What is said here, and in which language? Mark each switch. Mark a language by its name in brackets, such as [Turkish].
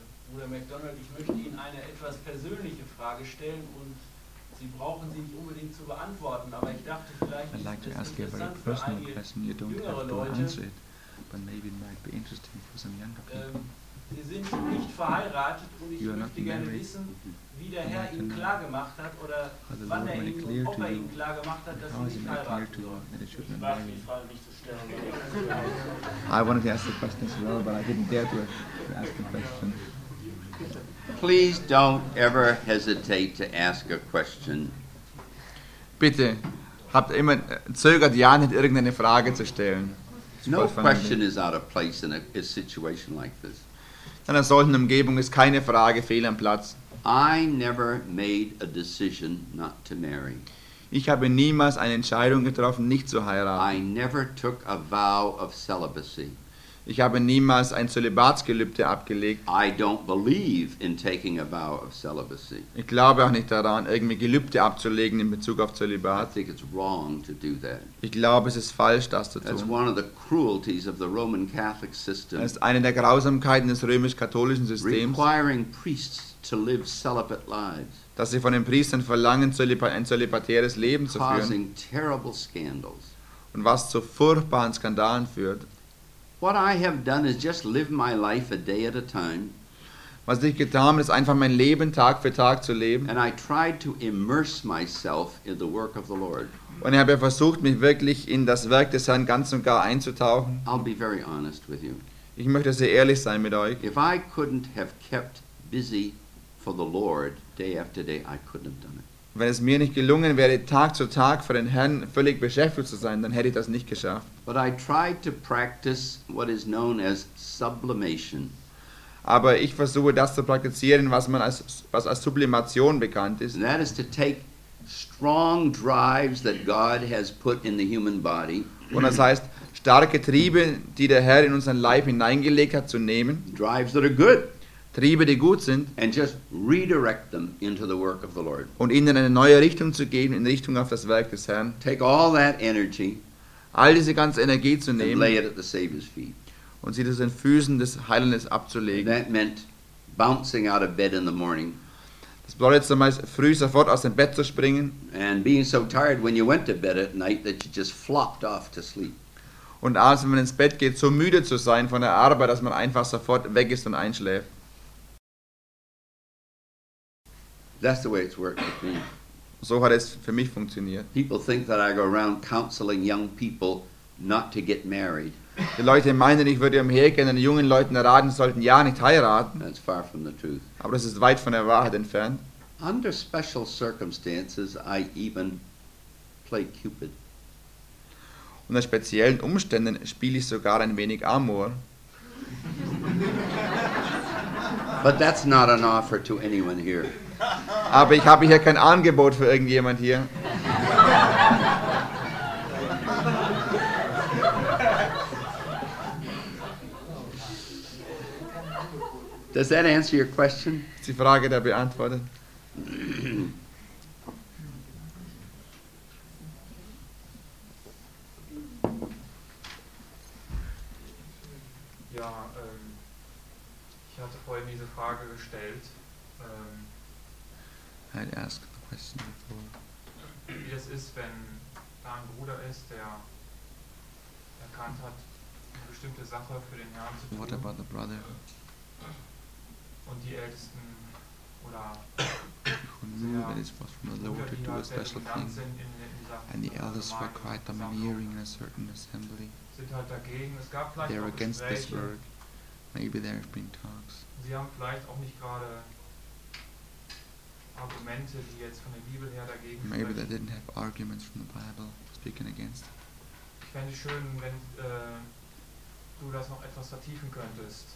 [German] Bruder McDonald, ich möchte Ihnen eine etwas persönliche Frage stellen und Sie brauchen sie nicht unbedingt zu beantworten, aber ich dachte vielleicht, like ist das interessant für einige jüngere Leute. [English] It, but maybe it might be interesting for some younger people. [German] Sie sind nicht verheiratet und ich möchte gerne wissen, wie der Herr Ihnen klar gemacht hat oder wann er Ihnen, ob er Ihnen klar gemacht hat, dass Sie nicht heiraten sollen. Ich warte, die Frage nicht zu stellen. [English] I wanted to ask the question as well, but I didn't dare to ask the question. Please don't ever hesitate to ask a question. [German] Bitte, habt immer zögert ja nicht irgendeine Frage zu stellen. [English] No question is out of place in a situation like this. [German] In einer solchen Umgebung ist keine Frage fehl am Platz. [English] I never made a decision not to marry. [German] Ich habe niemals eine Entscheidung getroffen, nicht zu heiraten. [English] I never took a vow of celibacy. [German] Ich habe niemals ein Zölibatsgelübde abgelegt. [English] I don't believe in taking a vow of celibacy. [German] Ich glaube auch nicht daran, irgendwie Gelübde abzulegen in Bezug auf Zölibat. [English] I think it's wrong to do that. [German] Ich glaube, es ist falsch, das zu tun. [English] That's one of the cruelties of the Roman Catholic system. [German] Das ist eine der Grausamkeiten des römisch-katholischen Systems. [English] Requiring priests to live celibate lives. [German] Dass sie von den Priestern verlangen, ein zölibatäres Leben zu führen. [English] Causing terrible scandals. [German] Und was zu furchtbaren Skandalen führt. [English] What I have done is just live my life a day at a time. [German] Was ich getan habe, ist einfach mein Leben Tag für Tag zu leben. [English] And I tried to immerse myself in the work of the Lord. [German] Und ich habe versucht, mich wirklich in das Werk des Herrn ganz und gar einzutauchen. [English] I'll be very honest with you. [German] Ich möchte sehr ehrlich sein mit euch. [English] If I couldn't have kept busy for the Lord day after day, I couldn't have done it. [German] Wenn es mir nicht gelungen wäre, Tag zu Tag für den Herrn völlig beschäftigt zu sein, dann hätte ich das nicht geschafft. [English] But I tried to practice what is known as sublimation. [German] Aber ich versuche das zu praktizieren, was als Sublimation bekannt ist. [English] And that is to take strong drives that God has put in the human body. [German] Und das heißt, starke Triebe, die der Herr in unseren Leib hineingelegt hat, zu nehmen. [English] Drives that are good. [German] Triebe, die gut sind, [English] and just redirect them into the work of the Lord. [German] Und ihnen eine neue Richtung zu geben, in Richtung auf das Werk des Herrn. [English] Take all that energy, [German] all diese ganze Energie zu nehmen, [English] and lay it at the Savior's feet. [German] Und sie zu den Füßen des Heilandes abzulegen. [English] That meant bouncing out of bed in the morning. [German] Das bedeutet zum Beispiel früh sofort aus dem Bett zu springen. [English] And being so tired when you went to bed at night that you just flopped off to sleep. [German] Und abends, wenn man ins Bett geht, so müde zu sein von der Arbeit, dass man einfach sofort weg ist und einschläft. [English] That's the way it's worked with me. [German] So hat es für mich funktioniert. [English] People think that I go around counseling young people not to get married. [German] Die Leute meinen, ich würde umhergehen und jungen Leuten raten, sollten ja nicht heiraten. [English] That's far from the truth. [German] Aber das ist weit von der Wahrheit entfernt. [English] Under special circumstances, I even play Cupid. [German] Unter speziellen Umständen spiele ich sogar ein wenig Amor. [English] But that's not an offer to anyone here. [German] Aber ich habe hier kein Angebot für irgendjemand hier. [English] Does that answer your question? [German] Ist die Frage da beantwortet? Ja, ich hatte vorhin diese Frage gestellt. [English] I'd ask the question before. [German] Wie das ist, wenn da ein Bruder ist, der erkannt hat, eine bestimmte Sache für den Herrn zu tun. [English] What about the brother? [German] Und die Ältesten oder [English] who knew that it was from the Lord to do a special thing. And the elders were quite domineering in a certain assembly. [German] Sind halt dagegen. Es gab vielleicht [English] they're against this work. Maybe there have been talks. [German] Sie haben vielleicht auch nicht gerade Argumente, die jetzt von der Bibel her dagegen sprechen. [English] Maybe they didn't have arguments from the Bible speaking against. [German] Ich fände es schön, wenn du das noch etwas vertiefen könntest.